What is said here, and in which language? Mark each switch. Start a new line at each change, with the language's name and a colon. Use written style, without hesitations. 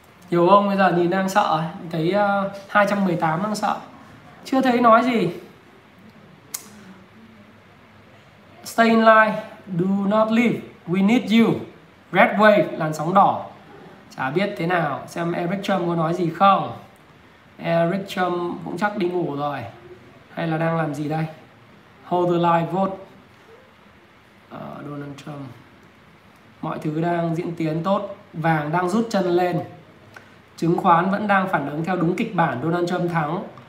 Vietnamese: Nhiều ông bây giờ nhìn đang sợ, thấy 218 đang sợ. Chưa thấy nói gì.
English: Stay in line, do not leave, we need you. Red wave,
Vietnamese: làn sóng đỏ. Chả biết thế nào, xem Eric Trump có nói gì không. Eric Trump cũng chắc đi ngủ rồi. Hay là đang làm gì đây?
English: Hold the line, vote Donald Trump.
Vietnamese: Mọi thứ đang diễn tiến tốt. Vàng đang rút chân lên. Chứng khoán vẫn đang phản ứng theo đúng kịch bản Donald Trump thắng.